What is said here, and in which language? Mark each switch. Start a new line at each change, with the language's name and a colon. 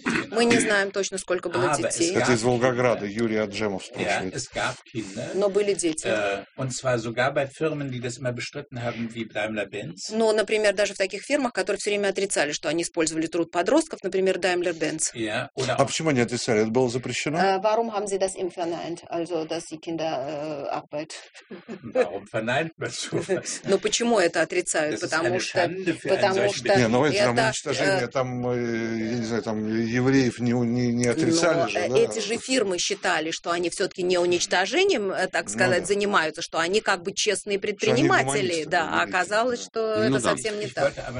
Russian: Мы не знаем точно, сколько было детей. Это из Волгограда, Юрий Аджемов спрашивает. Но были дети. Но, например, даже в таких фирмах, которые все время отрицали, что они использовали труд подростков, например, Daimler-Benz. А почему они отрицали? Это было запрещено?
German: Warum haben sie das
Russian: им
German: verneint? Also, dass die Kinder arbeit. Warum verneint man sowas?
Russian: Но почему это отрицают? Потому что это... уничтожение там, я не знаю, там евреев не отрицали но же. Да? Эти же фирмы считали, что они все-таки не уничтожением, так сказать, ну, да. занимаются, что они как бы честные предприниматели. Да, а оказалось, что ну, это да. совсем не так.